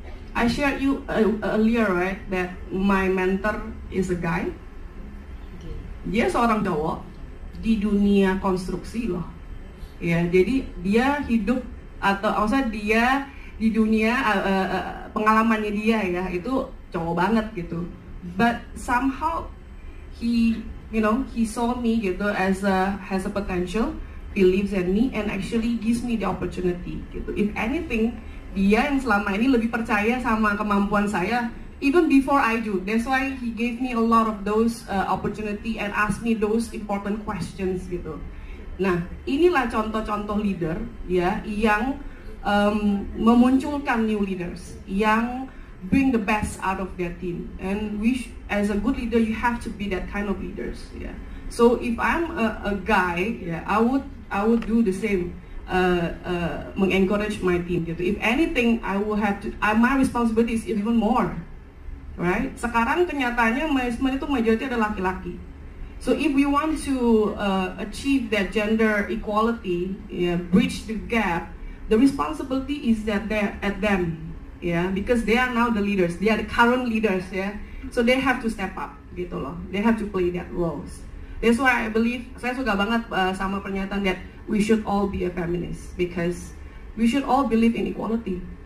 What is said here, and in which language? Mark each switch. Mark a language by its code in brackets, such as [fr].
[en] I shared you earlier, right, that my mentor is a guy. [id] Dia seorang cowok di dunia konstruksi loh. Ya, jadi dia hidup atau maksudnya dia di dunia pengalamannya dia ya itu cowok banget gitu. [en] But somehow he saw me gitu as a potential, believes in me and actually gives me the opportunity gitu. If anything, [id] dia yang selama ini lebih percaya sama kemampuan saya. [en] Even before I do, that's why he gave me a lot of those opportunity and asked me those important questions gitu. [id] Nah, inilah contoh-contoh leader ya yang memunculkan [en] new leaders, yang bring the best out of their team. And which as a good leader, you have to be that kind of leaders. Yeah. So if I'm a guy, yeah, I would do the same. Mengencourage my team gitu. If anything, my responsibility is even more. Right? [id] Sekarang kenyataannya management itu majority adalah laki-laki. [en] So if we want to achieve that gender equality, yeah, bridge the gap, the responsibility is that they're at them, yeah, because they are now the leaders. They are the current leaders, yeah. So they have to step up gitu loh. They have to play that roles. That's why I believe [id] saya suka banget sama pernyataan [en] that we should all be a feminist because we should all believe in equality.